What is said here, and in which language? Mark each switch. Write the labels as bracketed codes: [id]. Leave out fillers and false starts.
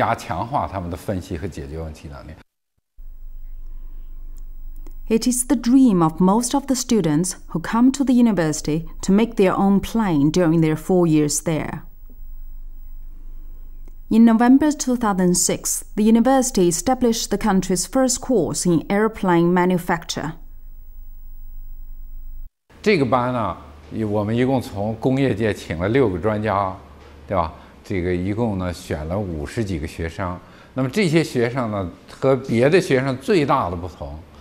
[zh] 航空材料很重要，另外呢，空气动力学的这个飞行的性质，在他们所长和将要发展的方面，更加强化他们的分析和解决问题能力。 [en] It is the dream of most of the students who come to the university to make their own plane during their 4 years there. In November 2006, the university established the country's first course in airplane manufacture. [zh] 这个班呢，我们一共从工业界请了6个专家，对吧？这个一共呢选了50几个学生。那么这些学生呢，和别的学生最大的不同。